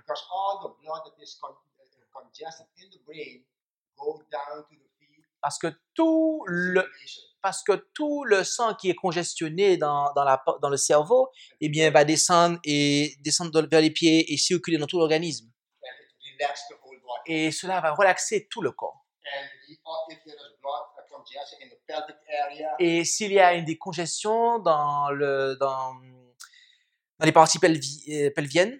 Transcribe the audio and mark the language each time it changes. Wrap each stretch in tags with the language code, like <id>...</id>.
<en>Because all the blood that is congested in the brain goes down to the feet.</en> <fr>Parce que tout le sang qui est congestionné dans le cerveau, eh bien, va descendre vers les pieds et circuler dans tout l'organisme.</fr> <en>And it relaxes the whole body.</en> <fr>Et cela va relaxer tout le corps.</fr> <en>And if there is blood congested in the pelvic area.</en> <fr>Et s'il y a une décongestion dans les parties pelviennes,</fr>